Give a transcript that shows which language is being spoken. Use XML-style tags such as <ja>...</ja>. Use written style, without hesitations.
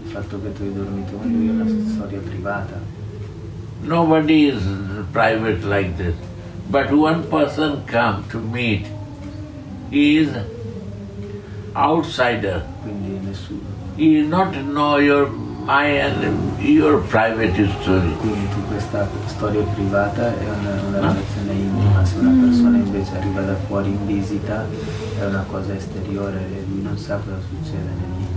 <it>Fatto che tu hai dormito con lui è una storia privata.</it> <en>Nobody is private like this. But one person come to meet, he is outsider.</en> <it>Quindi nessuno.</it> <en>He not know your my and your private story.</en> <it>Quindi tu questa storia privata è una relazione intima. Se una persona invece arriva da fuori in visita è una cosa esteriore e lui non sa cosa succede nel.</it>